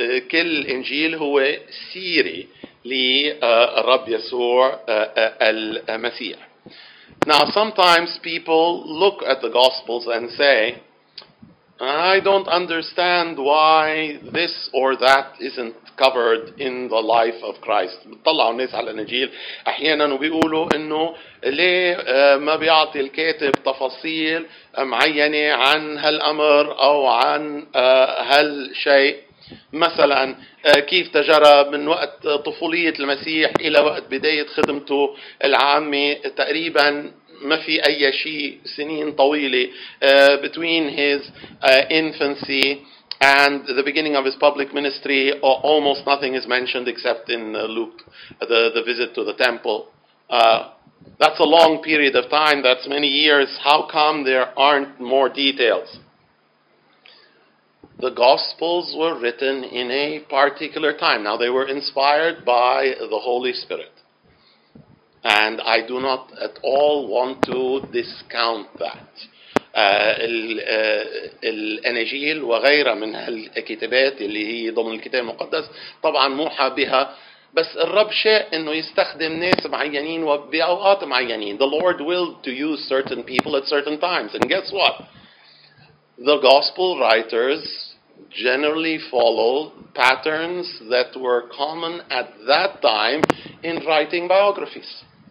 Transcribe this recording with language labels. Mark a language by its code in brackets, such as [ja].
[ar] كل إنجيل هو سيري لرب يسوع المسيح. [en] Now, sometimes people look at the Gospels and say, I don't understand why this or that isn't covered in the life of Christ. [ar] بتطلعوا الناس على الإنجيل أحيانا وبيقولوا إنه ليه ما بيعطي الكاتب تفاصيل معينة عن هالأمر أو عن هالشيء. مثلا كيف تجرب من وقت طفولية المسيح إلى وقت بداية خدمته العامة، تقريبا ما في أي شيء سنين طويلة [en] between his infancy And the beginning of his public ministry, almost nothing is mentioned except in Luke, the visit to the temple. That's a long period of time. That's many years. How come there aren't more details? The Gospels were written in a particular time. Now, they were inspired by the Holy Spirit. And I do not at all want to discount that. [ar] الأنجيل وغيرها من الكتابات اللي هي ضمن الكتاب المقدس طبعا موحى بها بس الرب شاء انه يستخدم ناس معينين وبأوقات معينين. [en] The Lord willed to use certain people at certain times. And guess what? The gospel writers generally followed patterns that were common at that time in writing biographies.